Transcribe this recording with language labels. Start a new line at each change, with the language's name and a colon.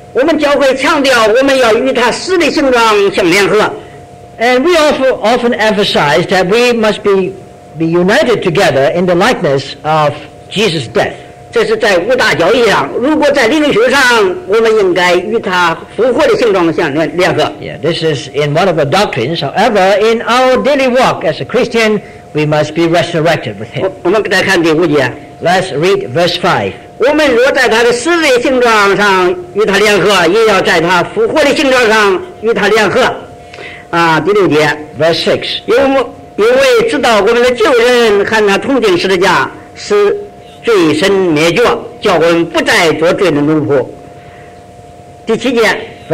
English: And we often emphasize that we must be be united together in the likeness of Jesus' death.
Chinese: 这是在五大教义上，如果在灵修上，我们应该与他复活的形状相连联合。
English: Yeah, this is in one of the doctrines. However, in our daily walk as a Christian, we must be resurrected with him.
Chinese: 我们再看第五节。
English: Let's read verse 5.
Chinese: 我们若在他的死里形状上与他联合，也要在他复活的形状上与他联合。第六节。
English: Verse 6.
Chinese: 因为知道我们的旧人和他同钉十字架，是 罪身灭绝，叫我们不再做罪的奴仆。第七节，第